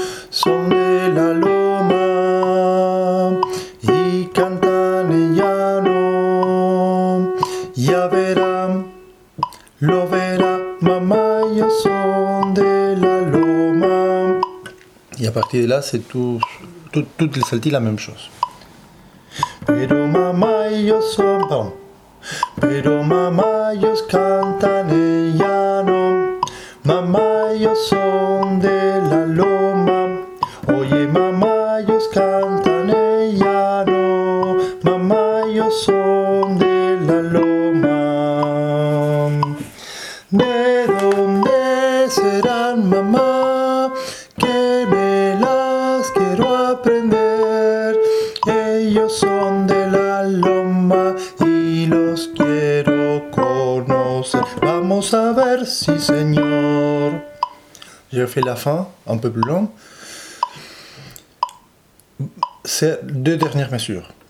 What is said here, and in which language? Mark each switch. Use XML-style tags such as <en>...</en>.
<es>Son de la loma, y cantan en llano, ya verá, lo verá, mamá, yo son de la loma.</es> <fr>Et à partir de là, c'est toutes les saltis la même chose.</fr> <es>Pero mamá, yo son...</es> <fr>Pardon.</fr> <es>Pero mamá, ellos cantan en llano, mamá, ellos son de la loma. Oye, mamá, ellos cantan en llano, mamá, ellos son de la loma. ¿De dónde serán, mamá? Que me las quiero aprender. Ellos son de la loma y los quiero conocer. Vamos a ver, sí señor.</es> <fr>Je fais la fin, un peu plus long. C'est deux dernières mesures.</fr>